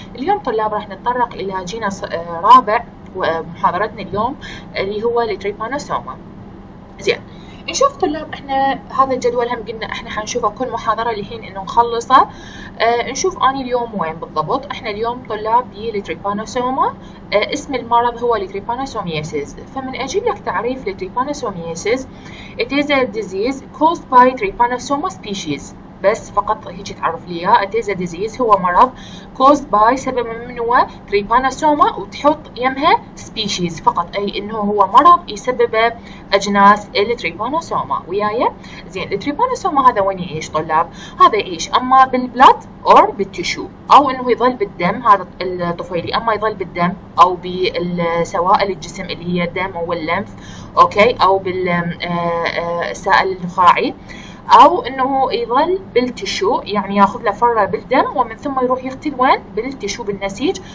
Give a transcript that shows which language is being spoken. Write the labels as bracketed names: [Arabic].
[Arabic] اليوم طلاب راح نتطرق الى جيناس رابع ومحاضرتنا اليوم اللي هو التريبانوسوما. زين نشوف طلاب احنا هذا الجدول هم قلنا احنا حنشوفه كل محاضرة لحين انه نخلصه. نشوف اني اليوم وين بالضبط. احنا اليوم طلاب بي لتريبانوسوما، اسم المرض هو لتريبانوسومياسيز. فمن اجيب لك تعريف لتريبانوسومياسيز، [English] it is a disease caused by trypanosoma species. [Arabic] بس فقط هيك تعرف ليها، [English] it is a disease [Arabic] هو مرض [English] caused by [Arabic] سبب من هو trypanosoma، وتحط يمها species فقط، اي انه هو مرض يسبب اجناس التريبانوسوما وياي. زين التريبانوسوما هذا وين يعيش طلاب؟ هذا يعيش اما بالبلاد اور بالتشو، او انه يظل بالدم هذا الطفيلي، اما يظل بالدم او بالسوائل الجسم اللي هي الدم او اللمف، اوكي، او بالسائل النخاعي، او انه يظل بالتشو يعني ياخذ له فره بالدم ومن ثم يروح يقتل وين؟ بالتشو بالنسيج.